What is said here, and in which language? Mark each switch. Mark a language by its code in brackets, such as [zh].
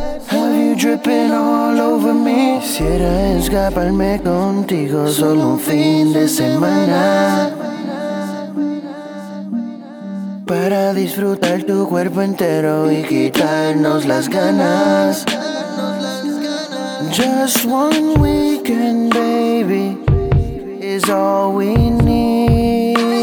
[en] Have you dripping all over me? [es] Quisiera escaparme contigo solo un fin de semana para disfrutar tu cuerpo entero y quitarnos las ganas. [en] Just one weekend, baby, is all we need.